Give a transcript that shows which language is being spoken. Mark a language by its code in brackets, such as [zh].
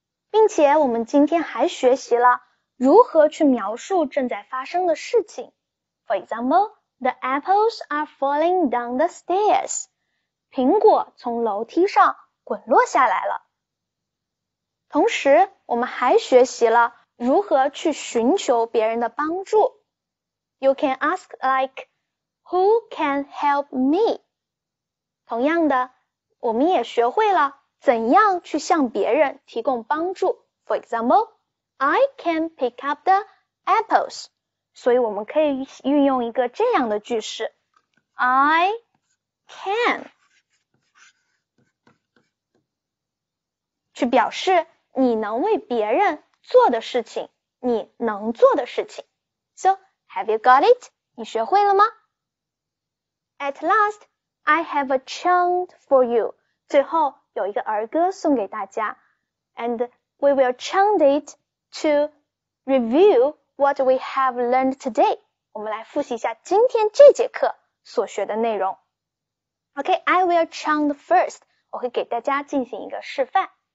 [zh] 并且我们今天还学习了如何去描述正在发生的事情。 [en] For example, the apples are falling down the stairs. [zh] 苹果从楼梯上滚落下来了。同时我们还学习了如何去寻求别人的帮助。 [en] You can ask like, who can help me? [zh] 同样的，我们也学会了怎样去向别人提供帮助。 [en] For example, I can pick up the apples. [zh] 所以我们可以运用一个这样的句式。 [en] I can. [zh] 去表示你能为别人做的事情，你能做的事情。 [en] So,Have you got it? [zh] 你学会了吗? [en] At last, I have a chant for you. [zh] 最后有一个儿歌送给大家。 [en] And we will chant it to review what we have learned today. [zh] 我们来复习一下今天这节课所学的内容。 [en] Okay, I will chant first. [zh] 我会给大家进行一个示范。